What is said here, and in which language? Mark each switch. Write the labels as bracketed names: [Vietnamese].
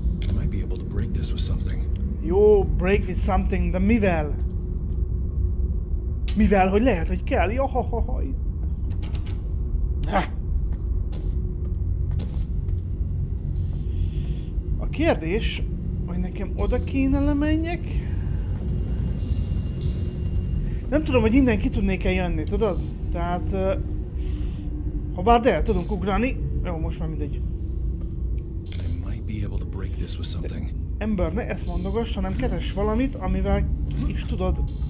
[English] I might be able to break this with something. [Hungarian] Jó, [English] break with something, [Hungarian] de mivel? Mivel, hogy lehet, hogy kell? Jahahahaj. A kérdés, hogy nekem oda kéne lemenjek? Nem tudom, hogy innen ki tudnék-e jönni, tudod? Tehát... ha bár de, tudunk ugrani. Jó, most már mindegy. [English] I might be able to break this with something. [Hungarian] Ember, ne ezt mondogass, hanem keres valamit, amivel ki is tudod.